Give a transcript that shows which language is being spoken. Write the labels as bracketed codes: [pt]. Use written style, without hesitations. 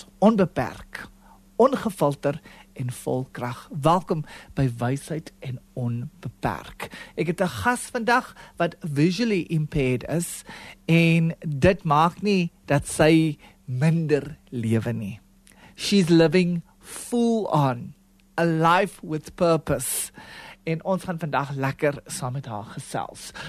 [af] Onbeperk, ongefilter en vol krag. Welkom by Wysheid en Onbeperk. Ek het 'n gas vandag wat [en] visually impaired [af] is en dit maak nie dat sy minder lewe nie. [en] She's living full on, a life with purpose. [af] En ons gaan vandag lekker saam met haar gesels.